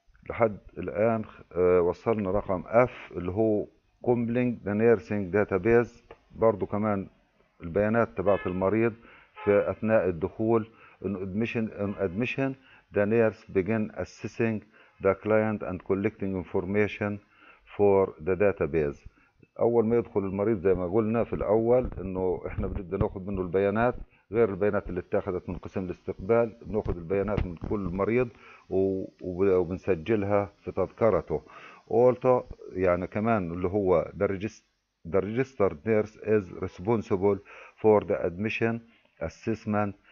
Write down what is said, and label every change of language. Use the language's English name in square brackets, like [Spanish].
[Arabic] لحد الان وصلنا رقم اف اللي هو [English] compiling the nursing database, [Arabic] برضو كمان البيانات تبعت المريض في اثناء الدخول. [English] In admission the nurse begin assessing the client and collecting information for the database. [Arabic] اول ما يدخل المريض زي ما قلنا في الاول انه احنا بدنا ناخذ منه البيانات غير البيانات اللي اتاخذت من قسم الاستقبال، بناخذ البيانات من كل مريض وبنسجلها في تذكرته. [English] Also [Arabic] يعني كمان اللي هو [English] The registered nurse is responsible for the admission assessment.